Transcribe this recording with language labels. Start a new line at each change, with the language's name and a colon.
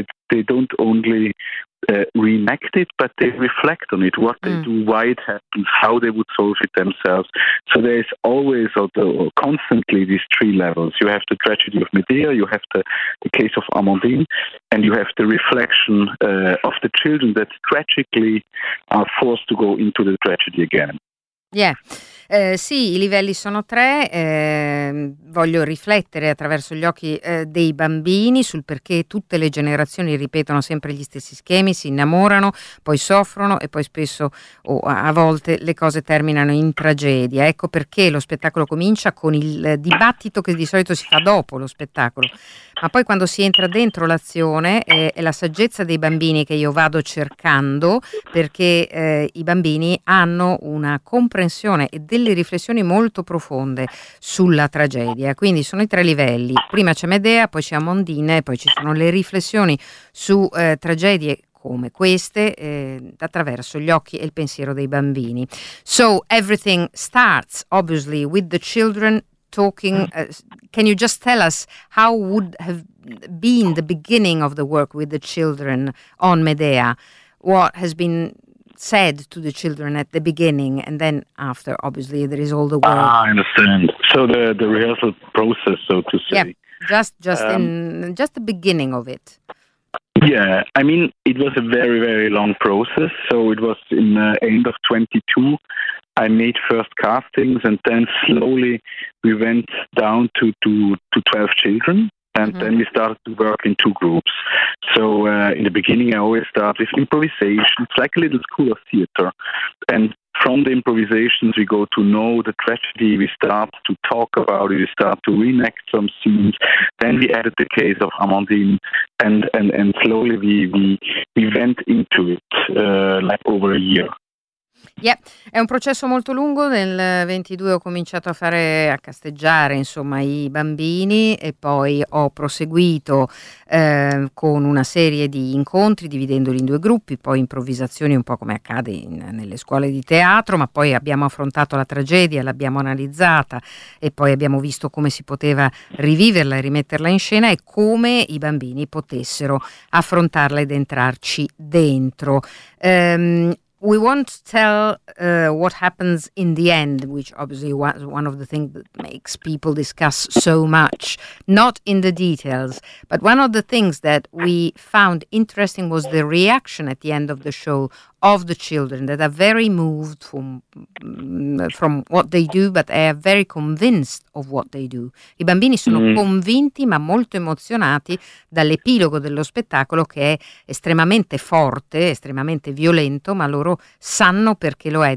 English: They don't only reenact it, but they reflect on it, what they do, why it happens, how they would solve it themselves. So there is always, although constantly, these three levels. You have the tragedy of Medea, you have the case of Amandine, and you have the reflection of the children that tragically are forced to go into the tragedy again. Yeah.
Italian: Sì, i livelli sono tre, voglio riflettere attraverso gli occhi dei bambini sul perché tutte le generazioni ripetono sempre gli stessi schemi, si innamorano, poi soffrono e poi spesso o a volte le cose terminano in tragedia. Ecco perché lo spettacolo comincia con il dibattito che di solito si fa dopo lo spettacolo, ma poi quando si entra dentro l'azione è la saggezza dei bambini che io vado cercando, perché i bambini hanno una comprensione e delle riflessioni molto profonde sulla tragedia. Quindi sono i tre livelli: prima c'è Medea, poi c'è Amandine, poi ci sono le riflessioni su tragedie come queste attraverso gli occhi e il pensiero dei bambini.
English: So everything starts obviously with the children talking. Can you just tell us how would have been the beginning of the work with the children on Medea? What has been said to the children at the beginning, and then after, obviously, there is all the work. I understand. So the rehearsal process, so to say. Yeah, just the beginning of it. Yeah, I mean, it was a very, very long process. So it was in the end of 22. I made first castings, and then slowly we went down to 12 children. And then we started to work in two groups. So in the beginning, I always start with improvisation. It's like a little school of theater. And from the improvisations, we go to know the tragedy. We start to talk about it. We start to reenact some scenes. Then we added the case of Amandine. And slowly we went into it like over a year.
Italian: Yeah, è un processo molto lungo. Nel 22 ho cominciato a casteggiare insomma i bambini e poi ho proseguito con una serie di incontri dividendoli in due gruppi, poi improvvisazioni un po' come accade nelle scuole di teatro, ma poi abbiamo affrontato la tragedia, l'abbiamo analizzata e poi abbiamo visto come si poteva riviverla e rimetterla in scena e come i bambini potessero affrontarla ed entrarci dentro.
English: We won't tell what happens in the end, which obviously was one of the things that makes people discuss so much, not in the details. But one of the things that we found interesting was the reaction at the end of the show of the children, that are very moved from what they do, but they are very convinced of what they do.
Italian: I bambini sono convinti ma molto emozionati dall'epilogo dello spettacolo, che è estremamente forte, estremamente violento, ma loro sanno perché lo è.